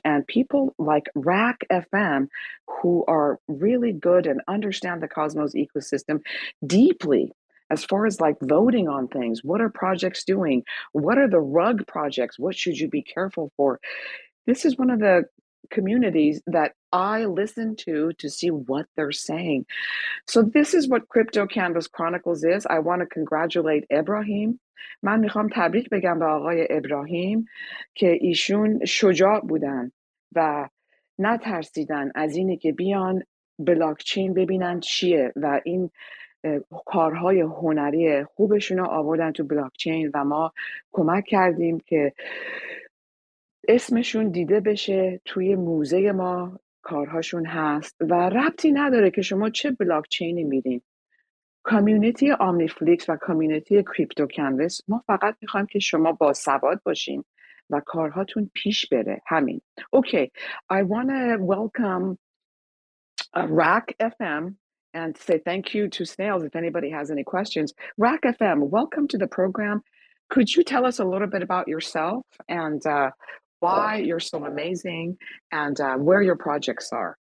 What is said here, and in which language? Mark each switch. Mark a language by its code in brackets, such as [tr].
[en] And people like Rack FM, who are really good and understand the Cosmos ecosystem deeply, as far as like voting on things, what are projects doing? What are the rug projects? What should you be careful for? this is one of the communities that I listen to see what they're saying. So this is what Crypto Canvas Chronicles is. I want to congratulate Ibrahim. [fa] من میخوام تبریک بگم به آقای ابراهیم که ایشون شجاع بودن و نترسیدن از اینه که بیان بلاکچین ببینن چیه و این کارهای هنری خوبشون رو آوردن تو بلاکچین و ما کمک کردیم که اسمشون دیده بشه توی موزه ما کارهاشون هست و ربطی نداره که شما چه بلاکچینی میرین. کامیونیتی آمنیفلیکس و کامیونیتی کریپتو کنوس، ما فقط میخوایم که شما با سواد باشین و کارهاتون پیش بره. همین. اوکی. [en] Okay. I want to welcome Rack FM and say thank you to Snails if anybody has any questions. Rack FM, welcome to the program. Could you tell us a little bit about yourself and why you're so amazing and where your projects are?